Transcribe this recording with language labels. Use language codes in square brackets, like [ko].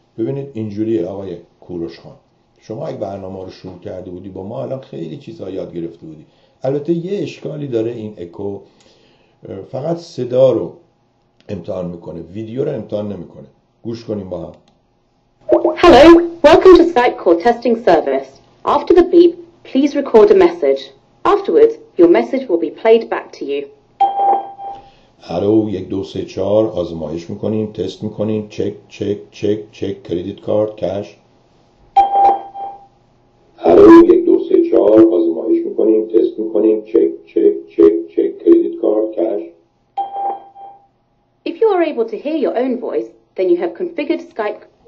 [fa] ببینید اینجوریه آقای کوروش خان، شما اگه برنامه رو شروع کرده بودی با ما الان خیلی چیزها یاد گرفته بودی. البته یه اشکالی داره، این اکو فقط صدا رو امتحان میکنه، ویدیو رو امتحان نمیکنه. گوش کنیم با هم. [en] Hello, welcome to Skype call testing service. After the beep, please record a message. Afterwards, your message will be played back to you. [fa] الو 1 2 3 4 آزمایش میکنیم، تست میکنیم، چک چک چک چک، کریدیت کارت، کش. الو 1 2 3 4 آزمایش میکنیم، تست میکنیم، چک چک چک چک، کریدیت کارت، کش. [en] If you are able to hear your own voice, then you have configured Skype.